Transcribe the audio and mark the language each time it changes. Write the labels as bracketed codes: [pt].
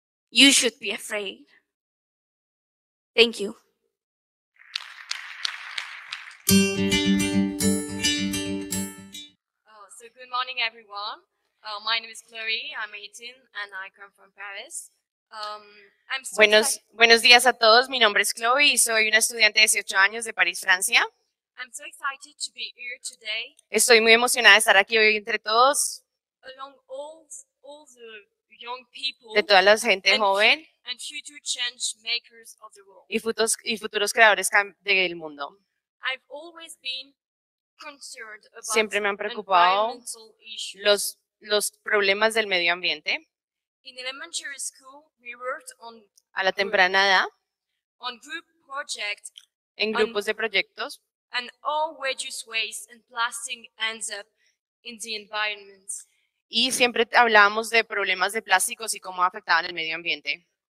[en] You should be afraid. Thank you. Oh, so good morning, everyone. My name is Chloé, I'm 18, and I come from Paris. [es] Buenos días a todos, mi nombre es Chloé, y soy una estudiante de 18 años de París, Francia. [en] I'm so excited to be here today. [es] Estoy muy emocionada de estar aquí hoy entre todos. [en] Along all the young people. [es] De toda la gente joven. [en] And future change makers of the world. [es] Y futuros creadores del mundo. [en] I've always been concerned about [es] siempre me han preocupado los problemas del medio ambiente. [en] In elementary school, we worked on [es] a la temprana edad. [en] On group project. [es] En grupos de proyectos. [en] And all reduced waste and plastic ends up in the environment. [es] Y siempre hablábamos de problemas de plásticos y cómo afectaban el medio ambiente.